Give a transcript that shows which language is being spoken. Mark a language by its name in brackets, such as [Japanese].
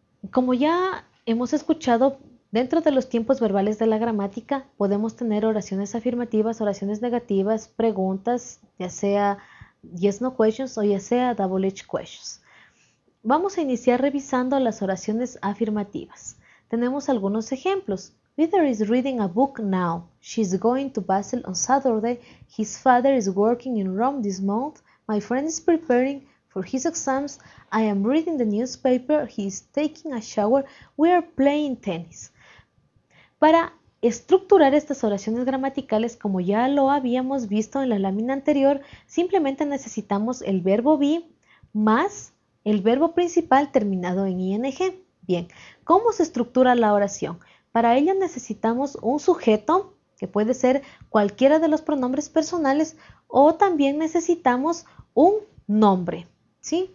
[Spanish] Como ya hemos escuchado, dentro de los tiempos verbales de la gramática podemos tener oraciones afirmativas, oraciones negativas, preguntas, ya sea [English] yes no questions [Spanish] o ya sea [English] double edged questions. [Spanish] Vamos a iniciar revisando las oraciones afirmativas. Tenemos algunos ejemplos. [English] Peter is reading a book now. She's going to Basel on Saturday. His father is working in Rome this month. My friend is preparing for his exams. I am reading the newspaper. He is taking a shower. We are playing tennis. [Spanish] Para estructurar estas oraciones gramaticales, como ya lo habíamos visto en la lámina anterior, simplemente necesitamos el verbo be más el verbo principal terminado en ing. Bien, ¿cómo se estructura la oración? Para ello necesitamos un sujeto, que puede ser cualquiera de los pronombres personales, o también necesitamos un nombre, ¿sí?